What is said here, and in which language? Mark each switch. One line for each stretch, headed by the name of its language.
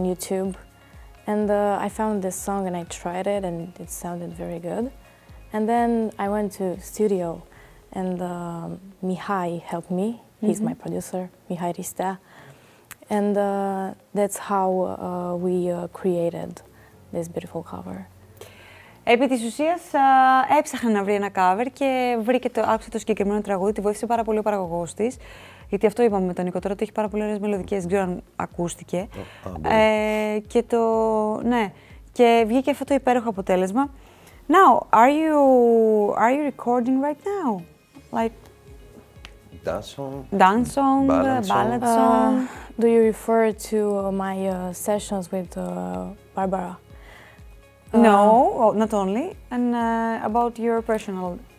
English: on YouTube, and I found this song and I tried it and it sounded very good. And then I went to studio, and Mihai helped me. Mm-hmm. He's my producer, Mihai Rista, and that's how we created this beautiful cover.
Greek: Επί της ουσίας έψαχνα να βρει ένα cover και βρήκε το άκουσε το συγκεκριμένο τραγούδι, τη βοήθησε πάρα πολύ ο παραγωγός της. Γιατί αυτό είπαμε με τον Νίκο τώρα, ότι έχει πάρα πολύ ωραίες μελωδικές, δεν ξέρω αν ακούστηκε. Και το, ναι, και βγήκε αυτό το υπέροχο αποτέλεσμα.
English: Now, are you recording right now? Like, dance song, ballad song. Do you refer to my sessions with Barbara? No, not only, and about your personal.